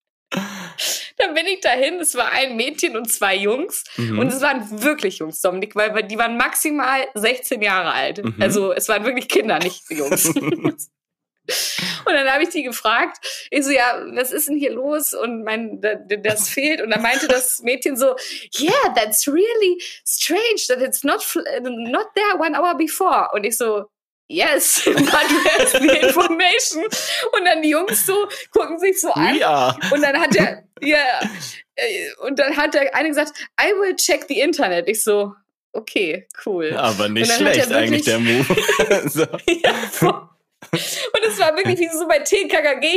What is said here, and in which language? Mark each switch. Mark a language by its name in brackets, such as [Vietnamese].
[German] Dann bin ich dahin. Es war ein Mädchen und 2 Jungs. Mhm. Und es waren wirklich Jungs, Dominik, weil die waren maximal 16 Jahre alt. Mhm. Also es waren wirklich Kinder, nicht Jungs. Und dann habe ich die gefragt, ich so, ja, was ist denn hier los? Und das fehlt. Und dann meinte das Mädchen so, [English] yeah, that's really strange that it's not there 1 hour before. [German] Und ich so, [English] yes, but where's the information? [German] Und dann die Jungs so, gucken sich so an. Ja. Und dann hat der, eine gesagt, [English] I will check the internet. [German] Ich so, okay, cool. Aber nicht schlecht eigentlich der Move. So. Und es war wirklich wie so bei TKKG.